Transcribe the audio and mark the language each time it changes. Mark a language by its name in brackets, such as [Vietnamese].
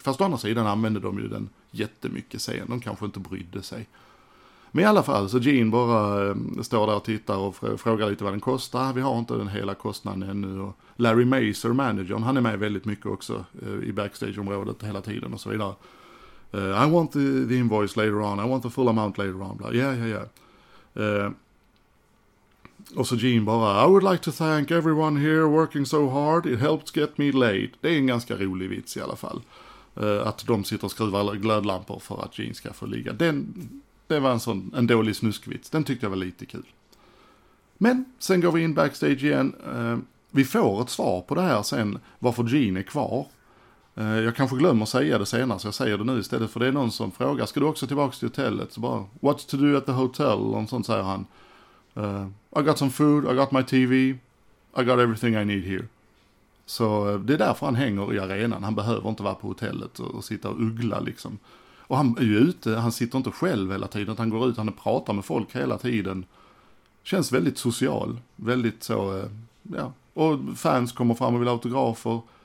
[Swedish] Fast å andra sidan använder de ju den jättemycket sen, de kanske inte brydde sig. Men i alla fall, så Gene bara står där och tittar och frågar lite vad den kostar. Vi har inte den hela kostnaden ännu. Och Larry Mazur, managern, han är med väldigt mycket också i backstageområdet hela tiden och så vidare. [English] I want the invoice later on. I want the full amount later on. Blah. Yeah, yeah, yeah. [Swedish] Och så Gene bara, [English] I would like to thank everyone here working so hard. It helped get me late. [Swedish] Det är en ganska rolig vits i alla fall. Att de sitter och skruvar glödlampor för att Gene ska få ligga. Det var en dålig snuskvits. Den tyckte jag var lite kul. Men sen går vi in backstage igen. Vi får ett svar på det här sen. Varför Gene är kvar. Jag kanske glömmer att säga det senare, så jag säger det nu istället, för det är någon som frågar, ska du också tillbaka till hotellet? Så bara, [English] what's to do at the hotel? [Swedish] Och sånt säger han. [English] I got some food, I got my TV, I got everything I need here. [Swedish] Så det är därför han hänger i arenan, han behöver inte vara på hotellet och sitta och uggla liksom. Och han är ju ute, han sitter inte själv hela tiden, han går ut, han pratar med folk hela tiden. Känns väldigt social, väldigt så, ja. Och fans kommer fram och vill ha autografer.